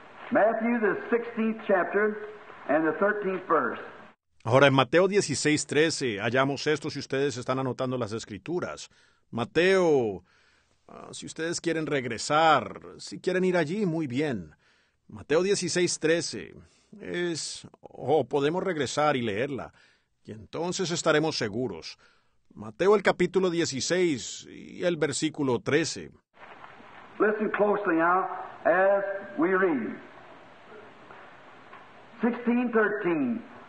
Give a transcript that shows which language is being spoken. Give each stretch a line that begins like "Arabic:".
English: Matthew, the 16th chapter, and the 13th verse.
Spanish: Ahora, en Mateo 16:13, hallamos esto si ustedes están anotando las escrituras. Mateo, si ustedes quieren regresar, si quieren ir allí, muy bien. Mateo 16:13 es, podemos regresar y leerla, y entonces estaremos seguros. Mateo, el capítulo 16 y el versículo 13.
English: Listen closely now as we read. 16:13.